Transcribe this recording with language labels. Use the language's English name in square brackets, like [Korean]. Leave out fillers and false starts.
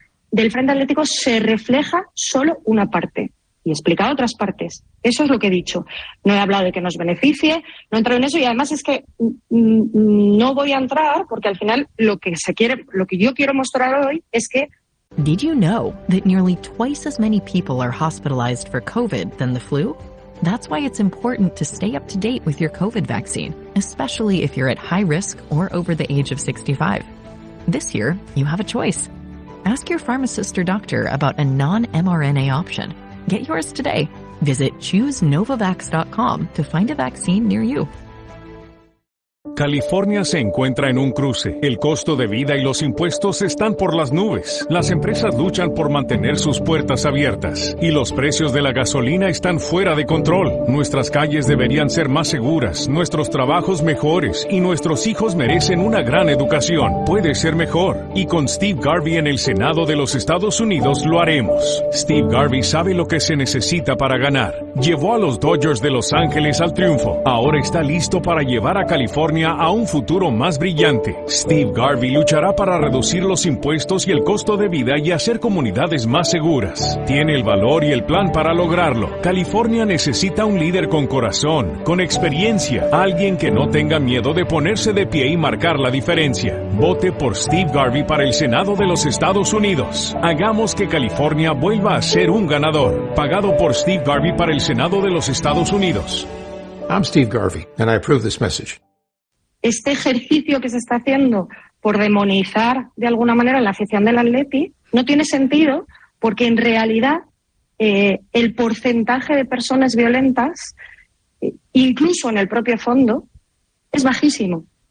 [Spanish] Y que del Frente Atlético se refleja solo una parte. Y he explicado otras partes. Eso es lo que he dicho. No he hablado de que nos beneficie, no he entrado en eso. Y además es que no voy a entrar porque al final lo que yo quiero mostrar hoy es que... [English] Did you know that nearly twice as many people are hospitalized for COVID than the flu? That's why it's important to stay up to date with your COVID vaccine, especially if you're at high risk or over the age of 65. This year, you have a choice. Ask your pharmacist or doctor about a non-mRNA option. Get yours today. Visit choosenovavax.com to find a vaccine near you. [Spanish] California se encuentra en un cruce. El costo de vida y los impuestos están por las nubes. Las empresas luchan por mantener sus puertas abiertas. Y los precios de la gasolina están fuera de control. Nuestras calles deberían ser más seguras, nuestros trabajos mejores y nuestros hijos merecen una gran educación. Puede ser mejor. Y con Steve Garvey en el Senado de los Estados Unidos lo haremos. Steve Garvey sabe lo que se necesita para ganar. Llevó a los Dodgers de Los Ángeles al triunfo. Ahora está listo para llevar a California a un futuro más brillante. Steve Garvey luchará para reducir los impuestos y el costo de vida y hacer comunidades más seguras. Tiene el valor y el plan para lograrlo. California necesita un líder con corazón, con experiencia, alguien que no tenga miedo de ponerse de pie y marcar la diferencia. Vote por Steve Garvey para el Senado de los Estados Unidos. Hagamos que California vuelva a ser un ganador. Pagado por Steve Garvey para el Senado de los Estados Unidos. [English] I'm Steve Garvey and I approve this message. [Spanish] Este ejercicio que se está haciendo por demonizar de alguna manera la afición del Atleti no tiene sentido porque en realidad el porcentaje de personas violentas, incluso en el propio fondo, es bajísimo.